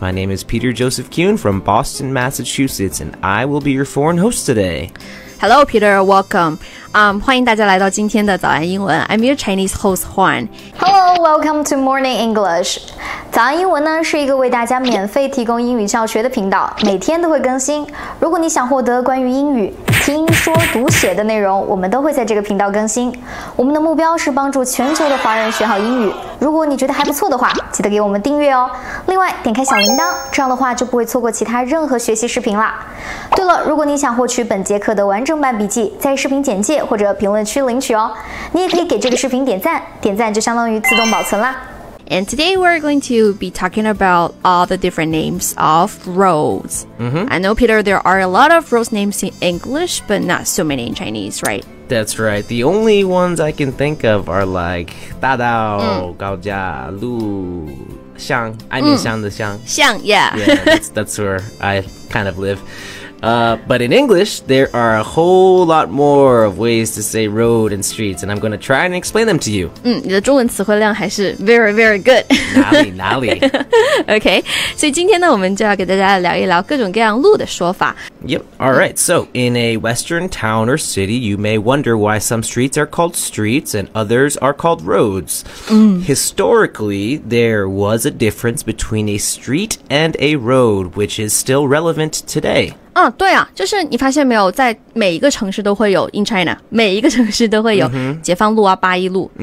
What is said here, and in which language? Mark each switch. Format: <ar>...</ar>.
<en>My name is Peter Joseph Kuhn from Boston, Massachusetts, and I will be your foreign host today. Hello, Peter. Welcome.</en> <zh>欢迎大家来到今天的早安英文。</zh> <en>I'm your Chinese host, Juan. Hello, welcome to Morning English.</en> <zh>早安英文呢是一个为大家免费提供英语教学的频道，每天都会更新。如果你想获得关于英语听说读写的内容，我们都会在这个频道更新。我们的目标是帮助全球的华人学好英语。如果你觉得还不错的话，记得给我们订阅哦。另外，点开小铃铛，这样的话就不会错过其他任何学习视频啦。对了，如果你想获取本节课的完整版笔记，在视频简介或者评论区领取哦。你也可以给这个视频点赞，点赞就相当于自动保存啦。</zh> <en>And today we're going to be talking about all the different names of roads. Mm-hmm. I know, Peter, there are a lot of road names in English, but not so many in Chinese, right? That's right. The only ones I can think of are like</en> <zh>大道、高架、路、巷、爱民巷的巷。巷、yeah.</zh> <en>Yeah, that's where I kind of live. But in English, there are a whole lot more of ways to say road and streets, and I'm going to try and explain them to you.</en> <zh>你的中文词汇量还是</zh> <en>very, very good.</en> <zh>哪里 OK, 所以今天呢我们就要给大家聊一聊各种各样路的说法。</zh> <en>Yep, alright, so in a western town or city, you may wonder why some streets are called streets and others are called roads. Historically, there was a difference between a street and a road, which is still relevant today.</en> <zh>对啊，就是你发现没有，在每一个城市都会有</zh> <en>in China,</en> <zh>每一个城市都会有解放路啊、八一路。</zh>